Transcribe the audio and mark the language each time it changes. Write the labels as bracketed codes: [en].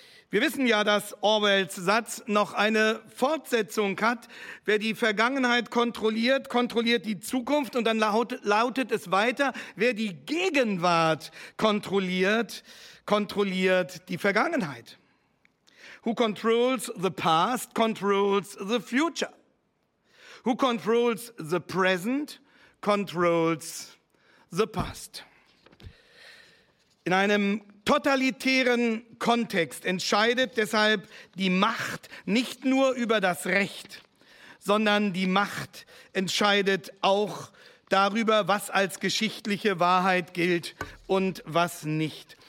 [de] Wir wissen ja, dass Orwells Satz noch eine Fortsetzung hat: Wer die Vergangenheit kontrolliert, kontrolliert die Zukunft. Und dann lautet es weiter: Wer die Gegenwart kontrolliert, kontrolliert die Vergangenheit. [en] Who controls the past, controls the future. Who controls the present, controls the past. [de] In einem totalitären Kontext entscheidet deshalb die Macht nicht nur über das Recht, sondern die Macht entscheidet auch darüber, was als geschichtliche Wahrheit gilt und was nicht.